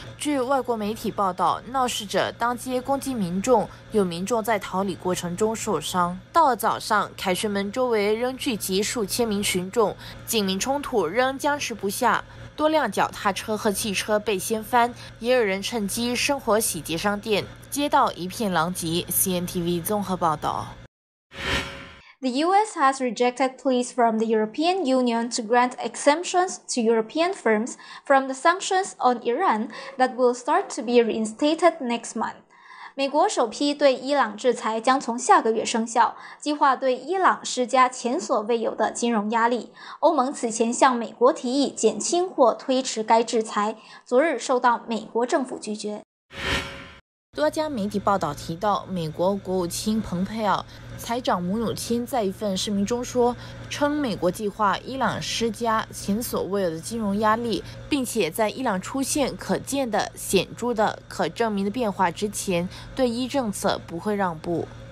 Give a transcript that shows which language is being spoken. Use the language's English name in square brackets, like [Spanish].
[Chinese] 据外国媒体报道，闹事者当街攻击民众，有民众在逃离过程中受伤。到了早上，凯旋门周围仍聚集数千名群众，警民冲突仍僵持不下。多辆脚踏车和汽车被掀翻，也有人趁机生火洗劫商店，街道一片狼藉。 CNTV 综合报道。 [English] The U.S. has rejected pleas from the European Union to grant exemptions to European firms from the sanctions on Iran that will start to be reinstated next month. [Chinese] 美国首批对伊朗制裁将从下个月生效，计划对伊朗施加前所未有的金融压力。欧盟此前向美国提议减轻或推迟该制裁，昨日受到美国政府拒绝。多家媒体报道提到，美国国务卿蓬佩奥、财长姆努钦在一份声明中说，称美国计划伊朗施加前所未有的金融压力，并且在伊朗出现可见的、显著的、可证明的变化之前，对伊政策不会让步。